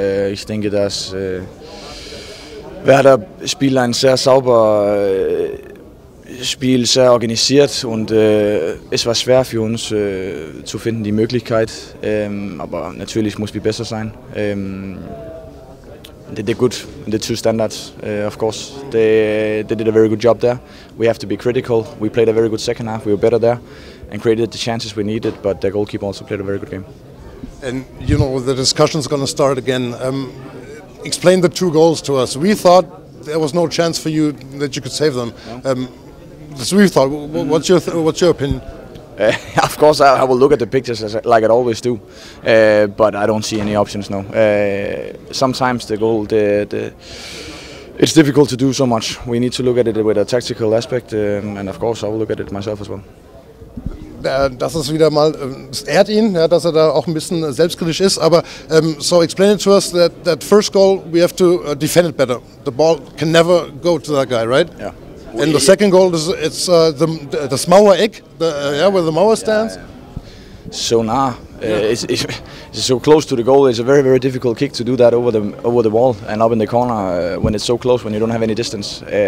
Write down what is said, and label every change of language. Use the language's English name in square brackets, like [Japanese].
[German] Ich denke, dass Werder spielt ein sehr sauber Spiel, sehr organisiert und es war schwer für uns zu finden, die Möglichkeit. Aber natürlich muss wir besser sein. [English] They did good in the two standards, of course. They did a very good job there. We have to be critical. We played a very good second half. We were better there and created the chances we needed, but the goalkeeper also played a very good game. And you know, the discussion is going to start again. Explain the two goals to us. We thought there was no chance for you that you could save them. That's what we thought. What's your opinion? Of course, I will look at the pictures like I always do, but I don't see any options now. Sometimes the goal, it's difficult to do so much. We need to look at it with a tactical aspect, and of course, I will look at it myself as well. [German] Das ist wieder mal, es ehrt ihn, dass er da auch ein bisschen selbstkritisch ist, aber [English] so explain it to us, that first goal, we have to defend it better. The ball can never go to that guy, right? Yeah. And the second goal, it's the [German] Mauer Eck, [English] where the Mauer stands. [German] So nah, [English] it's so close to the goal, it's a very, very difficult kick to do that over the wall and up in the corner when it's so close, when you don't have any distance.